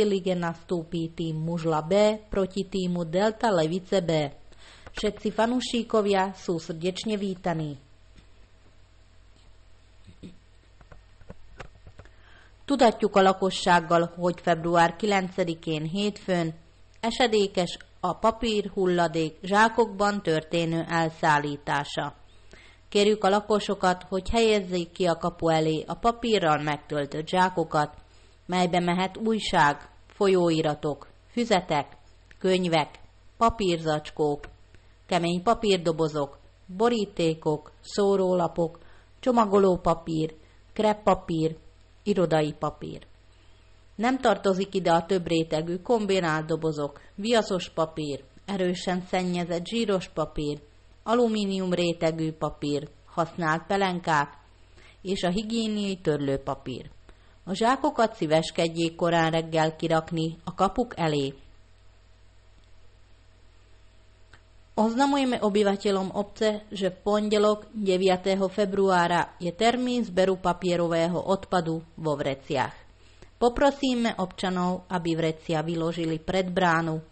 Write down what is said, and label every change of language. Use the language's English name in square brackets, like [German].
[Slovak] lige nastúpi tým Mužla B proti týmu Delta Levice B. Všetci fanúšikovia sú srdečne vítaní. [Hungarian] Tudatjuk a lakossággal, hogy február 9-én hétfőn esedékes a papírhulladék zsákokban történő elszállítása. Kérjük a lakosokat, hogy helyezzék ki a kapu elé a papírral megtöltött zsákokat, melybe mehet újság, folyóiratok, füzetek, könyvek, papírzacskók, kemény papírdobozok, borítékok, szórólapok, csomagolópapír, kreppapír, irodai papír. Nem tartozik ide a több rétegű kombinált dobozok, viaszos papír, erősen szennyezett zsíros papír, alumínium rétegű papír, használt pelenkák és a higiéniai törlőpapír. A zsákokat szíveskedjék korán reggel kirakni a kapuk elé. [Slovak] Oznamujeme obyvateľom obce, že v pondelok 9. februára je termín zberu papierového odpadu vo vreciach. Poprosíme občanov, aby vrecia vyložili pred bránu.